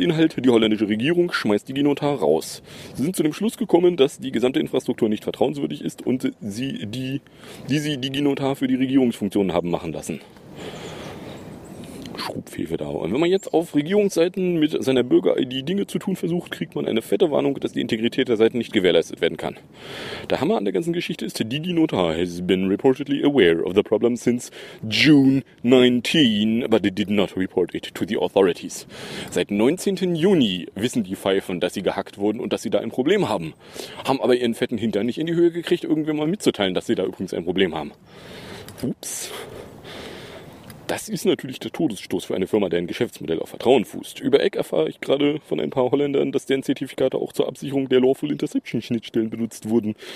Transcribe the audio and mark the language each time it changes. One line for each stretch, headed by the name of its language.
German: Inhalt, die holländische Regierung schmeißt DigiNotar raus. Sie sind zu dem Schluss gekommen, dass die gesamte Infrastruktur nicht vertrauenswürdig ist und sie die sie DigiNotar für die Regierungsfunktionen haben machen lassen. Schrubfefe da. Und wenn man jetzt auf Regierungsseiten mit seiner Bürger-ID Dinge zu tun versucht, kriegt man eine fette Warnung, dass die Integrität der Seiten nicht gewährleistet werden kann. Der Hammer an der ganzen Geschichte ist,
English: DigiNotar has been reportedly aware of the problem since June 19, but they did not report it to the authorities.
German: Seit 19. Juni wissen die Pfeifen, dass sie gehackt wurden und dass sie da ein Problem haben, haben aber ihren fetten Hintern nicht in die Höhe gekriegt, irgendwie mal mitzuteilen, dass sie da übrigens ein Problem haben. Ups. Das ist natürlich der Todesstoß für eine Firma, deren Geschäftsmodell auf Vertrauen fußt. Über Eck erfahre ich gerade von ein paar Holländern, dass deren Zertifikate auch zur Absicherung der Lawful Interception-Schnittstellen benutzt wurden.